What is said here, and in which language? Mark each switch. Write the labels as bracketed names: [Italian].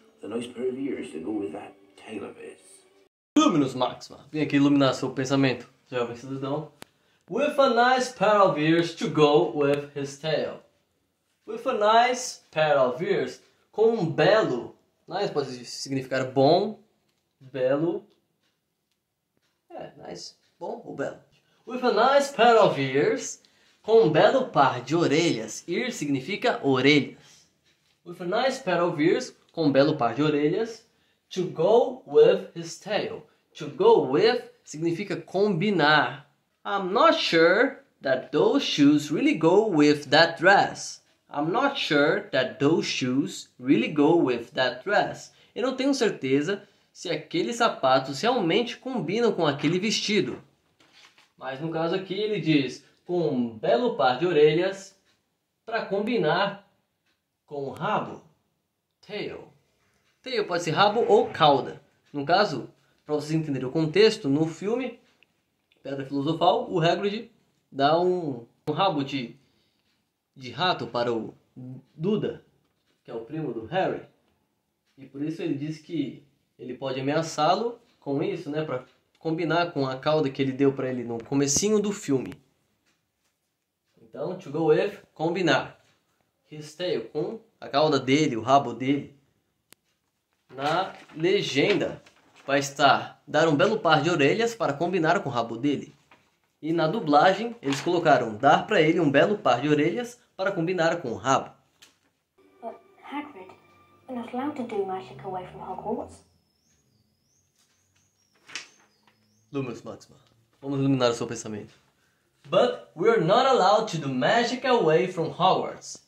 [English] The nice pair of ears to go with that tail of his. [Portuguese] Luminous Maxima. Vem aqui iluminar seu pensamento, jovem cidadão. [English] With a nice pair of ears to go with his tail. With a nice pair of ears. [Portuguese] Com um belo, nice pode significar bom, belo, nice, bom ou belo. [English] With a nice pair of ears, [Portuguese] com um belo par de orelhas, ear significa orelhas. [English] With a nice pair of ears, [Portuguese] com um belo par de orelhas, [English] to go with his tail. To go with [Portuguese] significa combinar. [English] I'm not sure that those shoes really go with that dress. I'm not sure that those shoes really go with that dress. [Portuguese] Eu não tenho certeza se aqueles sapatos realmente combinam com aquele vestido. Mas no caso aqui ele diz: com um belo par de orelhas para combinar com o rabo. Tail. Tail pode ser rabo ou cauda. No caso, para vocês entenderem o contexto, no filme Pedra Filosofal, o Hagrid dá um rabo de rato para o Duda, que é o primo do Harry. E por isso ele diz que ele pode ameaçá-lo com isso, né? Para combinar com a cauda que ele deu para ele no comecinho do filme. Então, to go with, combinar. [English] His tail, [Portuguese] com a cauda dele, o rabo dele. Na legenda, vai estar: dar um belo par de orelhas para combinar com o rabo dele. E na dublagem, eles colocaram: dar para ele um belo par de orelhas para combinar com o rabo. [English] But Hagrid, you're not allowed to do magic away from Hogwarts. [Portuguese] Luminous Maxima, vamos iluminar o seu pensamento. [English] But we're not allowed to do magic away from Hogwarts.